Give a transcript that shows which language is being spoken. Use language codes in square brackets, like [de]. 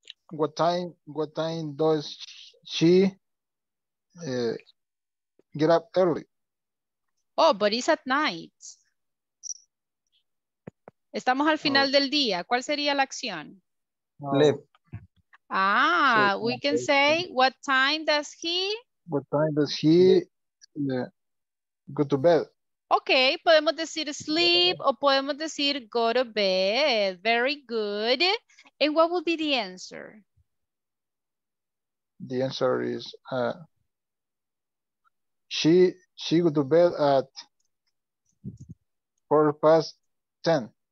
[en] What time does she get up early? Oh, but it's at night. [es] Estamos al final del día. ¿Cuál sería la acción? [en] Leave. Ah, we can say, what time does he? What time does he go to bed? [es] Okay, podemos decir [en] sleep [es] o podemos decir [en] go to bed. Very good. And what will be the answer? The answer is she go to bed at 10:15.